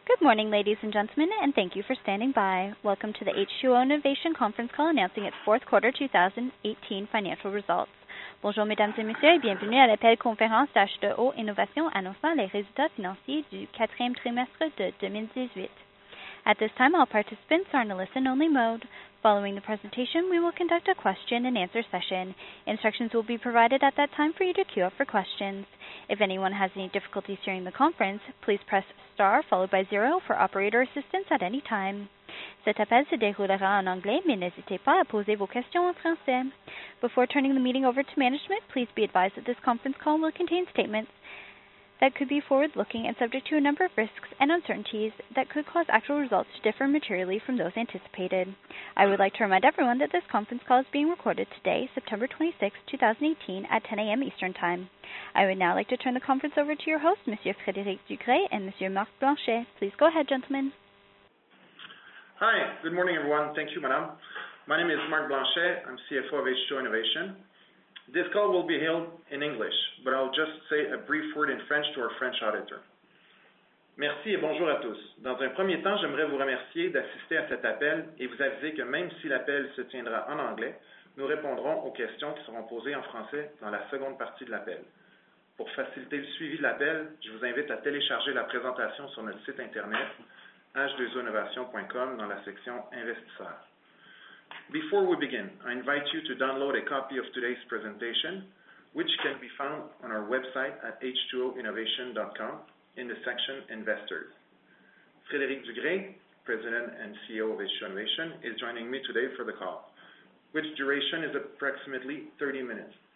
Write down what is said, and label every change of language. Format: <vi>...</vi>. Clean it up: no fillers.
<en>Good morning, ladies and gentlemen, and thank you for standing by. Welcome to the H2O Innovation conference call announcing its fourth quarter 2018 financial results.</en> <fr>Bonjour, mesdames et messieurs, et bienvenue à l'appel conférence H2O Innovation annonçant les résultats financiers du quatrième trimestre de 2018.</fr> <en>At this time, all participants are in a listen-only mode. Following the presentation, we will conduct a question-and-answer session. Instructions will be provided at that time for you to queue up for questions. If anyone has any difficulties hearing the conference, please press star followed by zero for operator assistance at any time.</en> <fr>Cet appel se déroulera en anglais, mais n'hésitez pas à poser vos questions en français.</fr> <en>Before turning the meeting over to management, please be advised that this conference call will contain statements that could be forward-looking and subject to a number of risks and uncertainties that could cause actual results to differ materially from those anticipated. I would like to remind everyone that this conference call is being recorded today, September 26, 2018, at 10 a.m. Eastern Time. I would now like to turn the conference over to your hosts, Monsieur Frédéric Ducret and Monsieur Marc Blanchet. Please go ahead, gentlemen. Hi, good morning, everyone. Thank you, madam. My name is Marc Blanchet. I'm CFO of H2O Innovation. This call will be held in English, but I'll just say a brief word in French to our French auditor.</en> <fr>Merci et bonjour à tous. Dans un premier temps, j'aimerais vous remercier d'assister à cet appel et vous aviser que même si l'appel se tiendra en anglais, nous répondrons aux questions qui seront posées en français dans la seconde partie de l'appel. Pour faciliter le suivi de l'appel, je vous invite à télécharger la présentation sur notre site Internet, h2oinnovation.com, dans la section Investisseurs.</fr> <en>Before we begin, I invite you to download a copy of today's presentation, which can be found on our website at h2oinnovation.com in the section Investors. Frédéric Ducret, President and CEO of H2O Innovation, is joining me today for the call, which duration is approximately 30 minutes.</en>